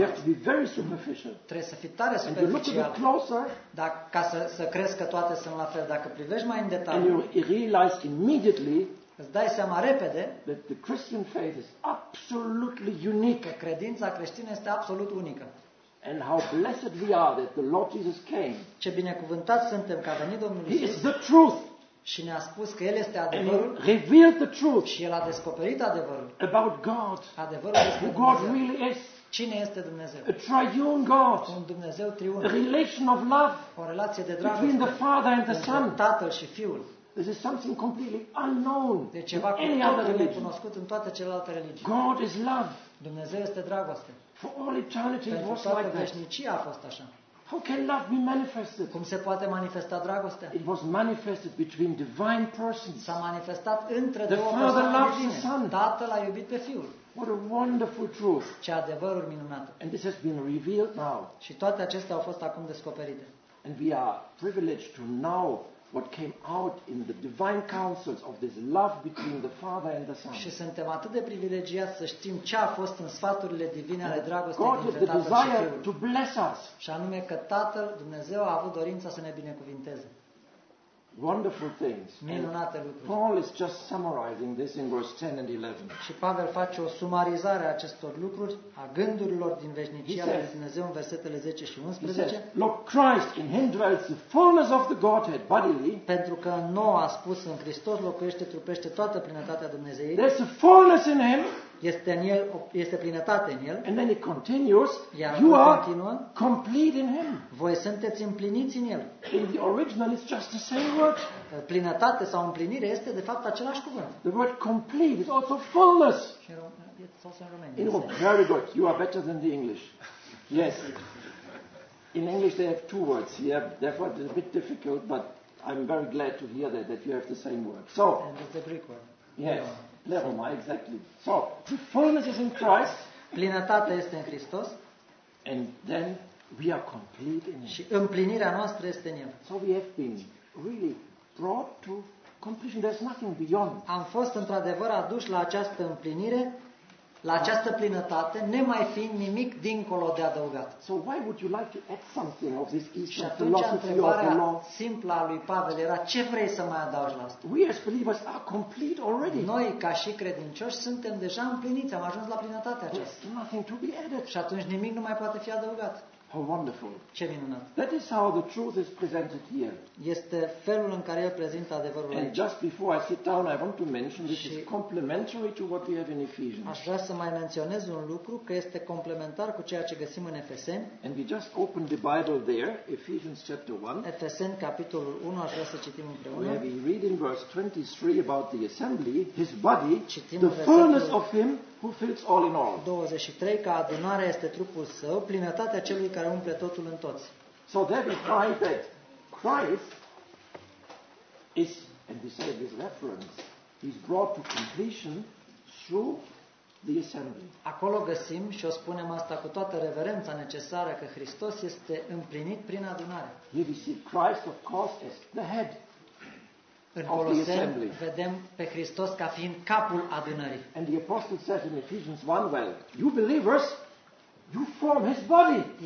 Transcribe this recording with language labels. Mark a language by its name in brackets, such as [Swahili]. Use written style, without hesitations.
[English] You have to be very superficial. [Romanian] Trebuie să fii tare superficial. [English] And you look a bit closer, [Romanian] dacă ca să crezi că toate sunt la fel, dacă privești mai în detaliu. [English] And you realize immediately. [Romanian] Îți dai seama repede [English] that the Christian faith is absolutely unique. [Romanian] Credința creștină este absolut unică. [English] And how blessed we are that the Lord Jesus came. [Romanian] Ce binecuvântați suntem că a venit Domnul Iisus. [English] He is the truth. [Romanian] Și ne-a spus că El este adevărul. [English] And he revealed the truth. [Romanian] Și El a descoperit adevărul. [English] About God. [Romanian] Adevărul despre Dumnezeu. [English] Who God really is. [Romanian] Cine este Dumnezeu? [English] A triune God. [Romanian] Un Dumnezeu triun. [English] A relation of love. [Romanian] O relație de dragoste. [English] Between the Father and the Son. [Romanian] Tatăl și Fiul. [English] This is something completely unknown. [Romanian] De ceva [English] in any other religion. [Romanian] Cunoscut în toate celelalte religii. [English] God is love. [Romanian] Dumnezeu este dragoste. [English] For all eternity it was like that. [Romanian] Veșnicia a fost așa. [English] How can love be manifested? [Romanian] Cum se poate manifesta dragostea? [English] It was manifested between divine persons. [Romanian] S-a manifestat între [English] the [Romanian] două persoane. [English] The Father loved His Son. [Romanian] Tatăl a iubit pe Fiul. [English] What a wonderful truth. [Romanian] Ce adevărul minunat. [English] And this has been revealed now. [Romanian] Și toate acestea au fost acum descoperite. [English] And we are privileged to know what came out in the divine counsels of this love between the Father and the Son. [Romanian] Și suntem atât de privilegiați să știm ce a fost în sfaturile divine ale dragostei și Fiul. [English] To bless us. [Romanian] Și anume că Tatăl, Dumnezeu, a avut dorința să ne binecuvinteze. [English] Wonderful things. [Romanian] Minunate lucruri. [English] Paul is just summarizing this in verse 10 and 11. [Romanian] Și Pavel face o sumarizare a acestor lucruri, a gândurilor din veșnicia lui Dumnezeu în versetele 10 și 11. [English] Look, Christ in him dwells the fullness of the Godhead bodily. [Romanian] Pentru că noi a spus în Hristos locuiește, trupește toată plinătatea Dumnezeirii. [English] There's a fullness in him. [Romanian] Este în el, este plinătate în el. [English] And then he continues, you are complete in him. [Romanian] Voi sunteți împliniți în el. [English] In the original is just the same word. [Romanian] Plinătate sau împlinire este de fapt același cuvânt. [English] The word complete is also fullness. It's also in Romanian. You know, very good. You are better than the English. Yes. In English they have two words. Yeah, therefore it's a bit difficult, but I'm very glad to hear that you have the same word. So, and it's the Greek word. Yes. Pleroma, exactly. So, the fullness is in Christ. [Romanian] Plinătatea este în Hristos. [English] And then we are complete in Him. [Romanian] Și împlinirea noastră este în El. [English] So we have been really brought to completion. There's nothing beyond. [Romanian] Am fost într-adevăr aduși la această împlinire. la această plinătate, nemai fiind nimic dincolo de adăugat. [English] So why would you like to add something of this Eastern philosophy of the law? [Romanian] Simpla lui Pavel era: ce vrei să mai adaugi la asta? [English] We as believers are complete already. [Romanian] Noi ca și credincioși suntem deja împliniți, am ajuns la plinătatea aceasta. [English] There's nothing to be added. [Romanian] Și atunci nimic nu mai poate fi adăugat. [English] How wonderful. [Romanian] Ce minunat. [English] That is how the truth is presented here. [Romanian] Este felul în care el prezintă adevărul aici. [English] And just before I sit down, I want to mention this is complementary to what we have in Ephesians. [Romanian] Aș vrea să mai menționez un lucru, că este complementar cu ceea ce găsim în Efeseni. [English] And we just opened the Bible there, Ephesians chapter 1. [Romanian] Efeseni capitolul 1, aș vrea să citim împreună. [English] We read in verse 23 about the assembly, his body, the fullness of him who fills all in all. [Romanian] 23, că adunarea este trupul său, plinătatea celui care umple totul în toți. [English] So there we find that Christ is, and this is his reference, is brought to completion through the assembly. [Romanian] Acolo găsim, și o spunem asta cu toată reverența necesară, că Hristos este împlinit prin adunare. [English] Here we see Christ, of course, as the head. [Romanian] În Coloseni vedem pe Hristos ca fiind capul adunării. [English] And the apostle says in Ephesians 1, well, you believers, you form his body.